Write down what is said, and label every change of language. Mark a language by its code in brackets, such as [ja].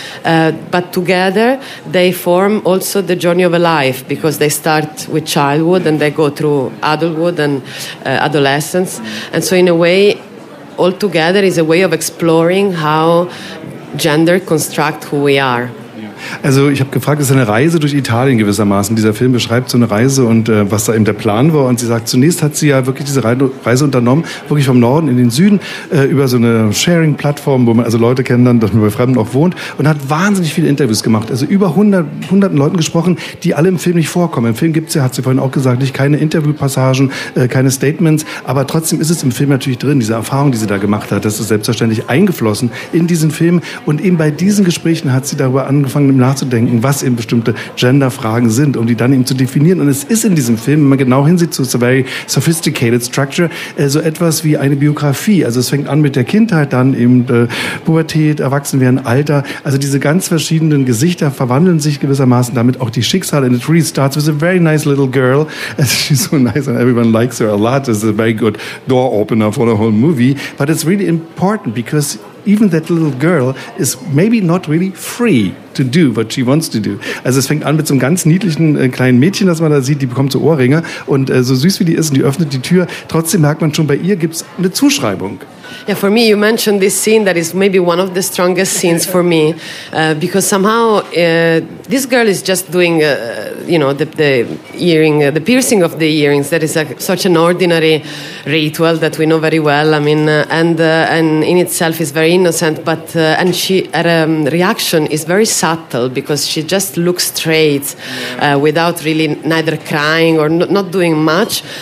[en] But together they form also the journey of a life because they start with childhood and they go through adulthood and adolescence. And so in a way, all together is a way of exploring how gender constructs who we are. [de] Also ich habe gefragt, es ist eine Reise durch Italien gewissermaßen. Dieser Film beschreibt so eine Reise und was da eben der Plan war. Und sie sagt, zunächst hat sie ja wirklich diese Reise unternommen, wirklich vom Norden in den Süden, über so eine Sharing-Plattform, wo man also Leute kennenlernt, dass man bei Fremden auch wohnt. Und hat wahnsinnig viele Interviews gemacht. Also über hunderten Leuten gesprochen, die alle im Film nicht vorkommen. Im Film gibt es ja, hat sie vorhin auch gesagt, nicht keine Interviewpassagen, keine Statements. Aber trotzdem ist es im Film natürlich drin, diese Erfahrung, die sie da gemacht hat. Das ist selbstverständlich eingeflossen in diesen Film. Und eben bei diesen Gesprächen hat sie darüber angefangen, nachzudenken, was eben bestimmte Genderfragen sind, um die dann eben zu definieren. Und es ist in diesem Film, wenn man genau hinsieht, [en] so it's a very sophisticated structure, [de] so etwas wie eine Biografie. Also es fängt an mit der Kindheit, dann eben Pubertät, Erwachsenwerden, Alter. Also diese ganz verschiedenen Gesichter verwandeln sich gewissermaßen damit auch die Schicksale. [en] And it really starts with a very nice little girl. She's so nice and everyone likes her a lot. It's a very good door opener for the whole movie. But it's really important because even that little girl is maybe not really free to do what she wants to do. [de] Also es fängt an mit so einem ganz niedlichen kleinen Mädchen, das man da sieht, die bekommt so Ohrringe und so süß wie die ist und die öffnet die Tür, trotzdem merkt man schon, bei ihr gibt's eine Zuschreibung. [en] Yeah, for me, you mentioned this scene that is maybe one of the strongest scenes for me, because somehow this girl is just doing, the earring, the piercing of the earrings. That is such an ordinary ritual that we know very well. I mean, and in itself is very innocent, but and she her reaction is very subtle because she just looks straight, without really neither crying or not doing much.